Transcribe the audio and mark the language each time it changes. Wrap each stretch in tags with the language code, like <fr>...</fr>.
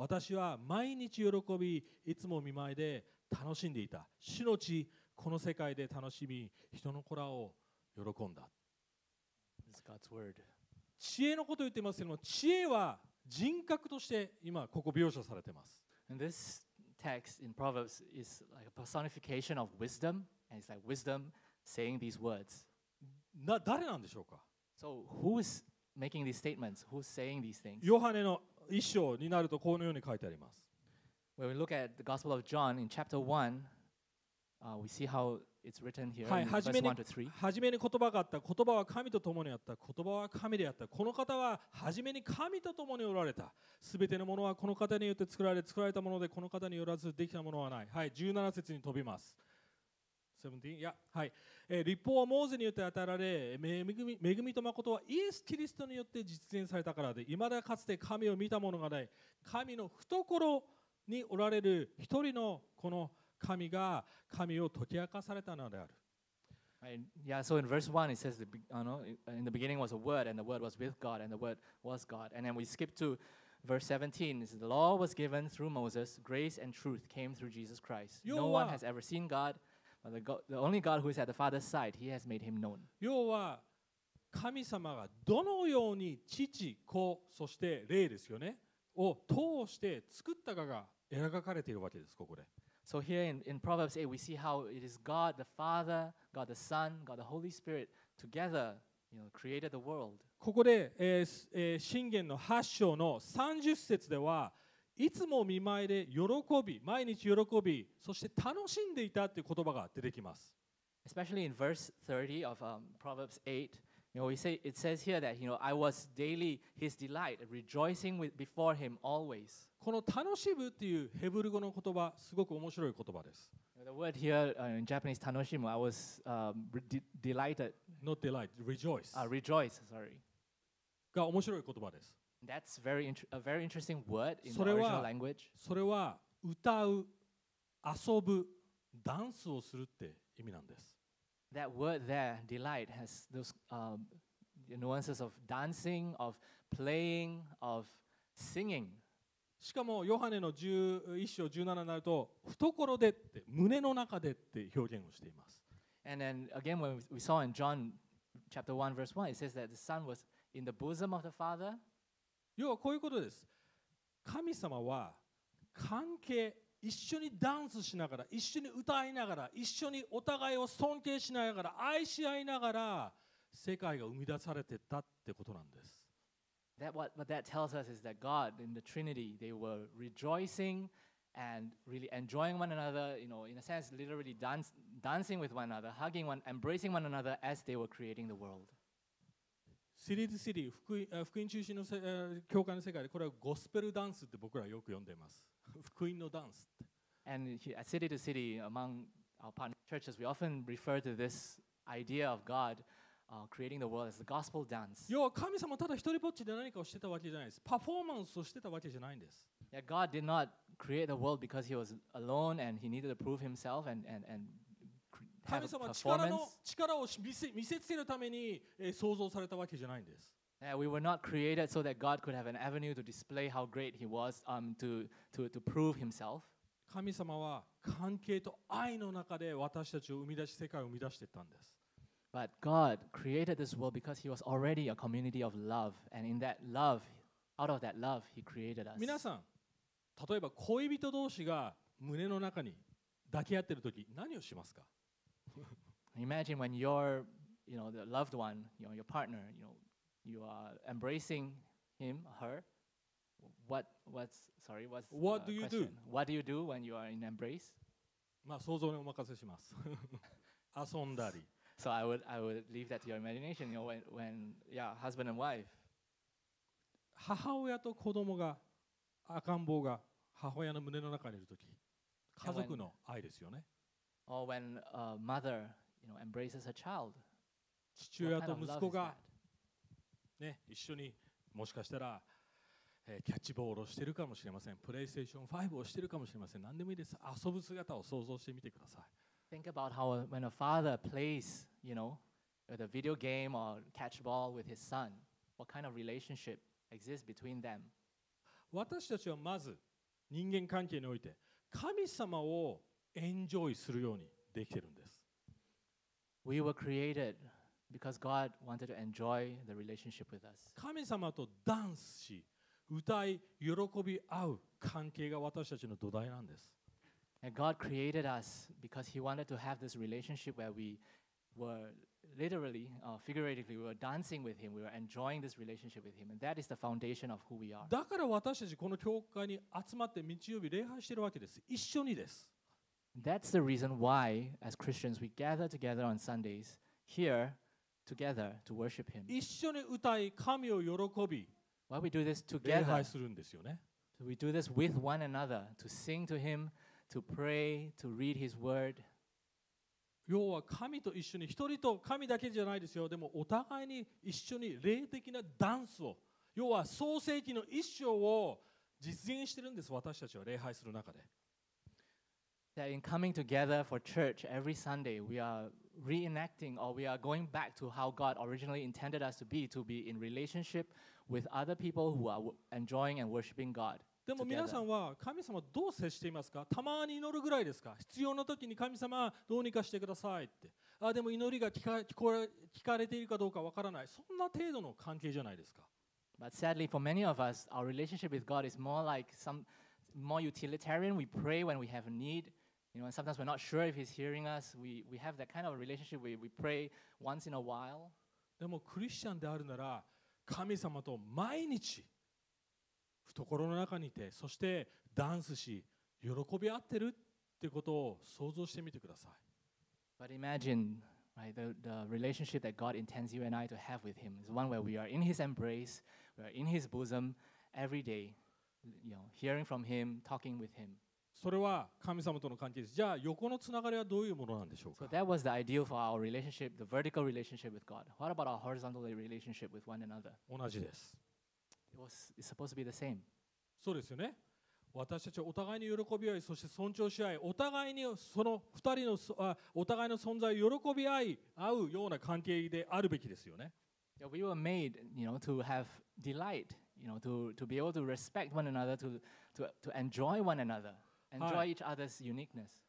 <ja>私は毎日喜び、いつも見舞いで楽しんでいた。主の地、この世界で楽しみ、人の子らを喜んだ。</ja> <en>This is God's word.</en> <ja>知恵のことを言っていますけども、知恵は人格として今ここ描写されています。</ja> <en>And this text in Proverbs is like a personification of wisdom, and it's like wisdom saying these words.</en> <ja>誰なんでしょうか。</ja> <en>So who is making these statements? Who's saying these things?</en> <ja>ヨハネの一章になるとこのように書いてあります。</ja> <en>When we look at the Gospel of John in chapter 1, we see howIt's written here in verse 1 to 3.</en> <ja>はじめに言葉があった。言葉は神と共にあった。言葉は神であった。この方ははじめに神と共におられた。すべてのものはこの方によって作られ、作られたもので、この方によらずできたものはない。はい、17節に飛びます。17? いや、はい。律法はモーゼによって与えられ、恵みと誠はイエス・キリストによって実現されたからで、いまだかつて神を見たものがない。神の懐におられる一人のこの神が神を解き明かされたのである。</ja> <en>Yeah, so in verse 1 it says, the, you know, in the beginning was a word, and the word was with God, and the word was God. And then we skip to verse 17. It says, the law was given through Moses, grace and truth came through Jesus Christ. No one has ever seen God, but the only God who is at the Father's side, he has made him known.</en> <ja>要は神様がどのように父、子、そして霊ですよね、を通して作ったかが描かれているわけです、ここで。</ja> <en>So here in Proverbs 8, we see how it is God the Father, God the Son, God the Holy Spirit together, you know, created the world.</en> <ja>ここで、箴言の8章の30節では、いつも見舞いで喜び、毎日喜び、そして楽しんでいたという言葉が出てきます。</ja> <en>Especially in verse 30 of Proverbs 8, you know, it says here that, you know, I was daily his delight, rejoicing before him always.</en> <ja>この楽しむっていうヘブル語の言葉、すごく面白い言葉です。</ja> <en>The word here in Japanese 楽しむ、I was delighted. Not delight, rejoice. Rejoice, sorry.</en> <ja>が面白い言葉です。</ja> <en>That's a very interesting word in the original language.</en> <ja>それは歌う、遊ぶ、ダンスをするって意味なんです。</ja> <en>That word there, delight, has those nuances of dancing, of playing, of singing.</en> <ja>しかもヨハネの11章17になると、懐でって、胸の中でって表現をしています。</ja> <en>And then again when we saw in John chapter 1 verse 1 it says that the son was in the bosom of the father.</en> <ja>要はこういうことです。神様は関係、一緒にダンスしながら、一緒に歌いながら、一緒にお互いを尊敬しながら、愛し合いながら世界が生み出されてたってことなんです。</ja> <en>What that tells us is that God in the Trinity, they were rejoicing and really enjoying one another, you know, in a sense, literally dancing with one another, hugging one, embracing one another as they were creating the world.</en> <ja>City to City, 福音中心の教会の世界で、これはゴスペルダンスって僕らよく呼んでいます。福音のダンスって。</ja> <en>And at City to City, among our partner churches, we often refer to this idea of God. Creating the world as the gospel dance.</en> <ja>要は神様ただ一人ぼっちで何かをしてたわけじゃないです。パフォーマンスをしてたわけじゃないんです。</ja> <en>Yeah, God did not create the world because he was alone and he needed to prove himself and have a performance.</en> <ja>神様は力を見せつけるために創造されたわけじゃないんです。</ja> <en>Yeah, we were not created so that God could have an avenue to display how great he was, to prove himself.</en> <ja>神様は関係と愛の中で私たちを生み出し、世界を生み出していったんです。</ja> <en>But God created this world because He was already a community of love, and in that love, out of that love, He created us.</en> <ja>皆さん、例えば恋人同士が胸の中に抱き合っているとき、何をしますか？</ja> <en>Imagine when the loved one, your partner, you are embracing him, her. What do you do? What do you do when you are in embrace?</en> <ja>まあ想像にお任せします。遊んだり。</ja> <en>So I would leave that to your imagination. When husband and wife.</en> <ja>母親と子供が赤ん坊が母親の胸の中にいるとき、家族の愛ですよね。</ja> <en>Or when a mother, embraces a child.</en> <ja>父親と息子がね、一緒にもしかしたら、キャッチボールをしているかもしれません。プレイステーション5をしているかもしれません。何でもいいです。遊ぶ姿を想像してみてください。</ja> <en>Think about how when a father plays, the video game or catch ball with his son, what kind of relationship exists between them?</en> <ja>私たちはまず人間関係において神様をエンジョイするようにできているんです。</ja> <en>We were created because God wanted to enjoy the relationship with us.</en> <ja>神様とダンスし、歌い、喜び合う関係が私たちの土台なんです。</ja> <en>And God created us because He wanted to have this relationship where we were literally, figuratively, we were dancing with Him, we were enjoying this relationship with Him, and that is the foundation of who we are.</en> <ja>だから私たちこの教会に集まって日曜日礼拝してるわけです。一緒にです。</ja> <en>That's the reason why, as Christians, we gather together on Sundays here together to worship Him.</en> <ja>一緒に歌い、神を喜び。</ja> <en>Why we do this together?</en> <ja>礼拝するんですよね。</ja> <en>So we do this with one another to sing to Him. To pray, to read His word.</en> <ja>要は神と一緒に、一人と神だけじゃないですよ。でもお互いに一緒に霊的なダンスを、要は創世記の一章を実現してるんです。私たちは礼拝する中で。</ja> <en>That in coming together for church every Sunday, we are reenacting or we are going back to how God originally intended us to be in relationship with other people who are enjoying and worshiping God.</en> <ja>でも皆さんは神様どう接していますか？たまに祈るぐらいですか？必要な時に神様どうにかしてくださいって。あ、でも祈りが聞かれているかどうかわからない。そんな程度の関係じゃないですか。</ja> <en>But sadly for many of us, our relationship with God is more like some more utilitarian. We pray when we have a need. And sometimes we're not sure if He's hearing us. We have that kind of relationship where we pray once in a while.</en> <ja>でもクリスチャンであるなら神様と毎日懐の中にいて、そしてダンスし、喜び合ってるってことを想像してみてください。</ja> <en>But imagine, right, the relationship that God intends you and I to have with Him is one where we are in His embrace, we are in His bosom every day, hearing from Him, talking with Him.</en> <ja>それは神様との関係です。じゃあ横のつながりはどういうものなんでしょうか。</ja> <en>So that was the ideal for our relationship, the vertical relationship with God. What about our horizontal relationship with one another?</en> <ja>同じです。</ja> <en>It's supposed to be the same.</en> <ja>そうですよね。私たちはお互いに喜び合い、そして尊重し合い、お互いにその2人のお互いの存在を喜び合い、合うような関係であるべきですよね。</ja> <en>Yeah, we were made, to have delight, to be able to respect one another, to enjoy one another, enjoy、はい、each other's uniqueness.</en>